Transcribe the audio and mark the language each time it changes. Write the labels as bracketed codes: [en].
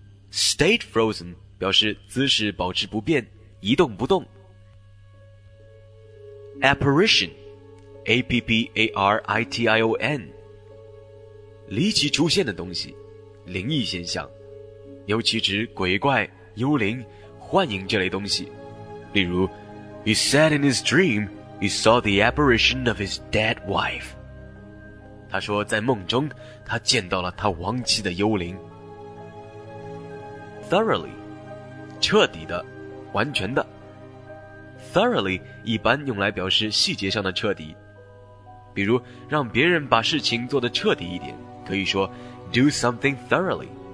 [en] Stayed frozen [zh] 表示姿势保持不变、一动不动。 [en] Apparition. [zh] APPARITION 离奇出现的东西，灵异现象，尤其指鬼怪、幽灵、幻影这类东西。例如 [en] He said in his dream he saw the apparition of his dead wife. [zh] 他说在梦中他见到了他亡妻的幽灵。 Thoroughly 彻底的、完全的。 Thoroughly 一般用来表示细节上的彻底，比如让别人把事情做得彻底一点，可以说 [en] do something thoroughly。